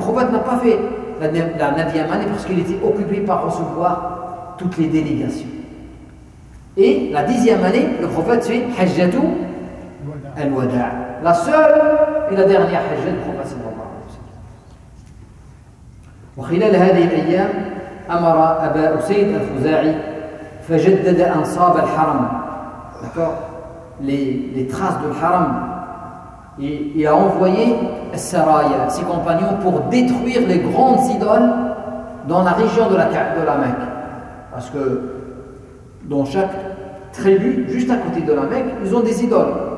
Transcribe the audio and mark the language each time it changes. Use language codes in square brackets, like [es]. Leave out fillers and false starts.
[fr] Le Khoubat n'a pas fait la 9e année parce qu'il était occupé par recevoir toutes les délégations. Et la 10e année, le Khoubat fait Hajjatu al-Wada'. La seule et la dernière Hajj du Prophète sallallahu alayhi wa sallam. [ar] Au خلال هذه الايام امر ابا اسيد الخزاعي فجدد انصاب الحرم. [fr] D'accord, les traces du Haram. Il a envoyé Saraya, ses compagnons, pour détruire les grandes idoles dans la région de la Mecque. Parce que dans chaque tribu juste à côté de la Mecque, ils ont des idoles.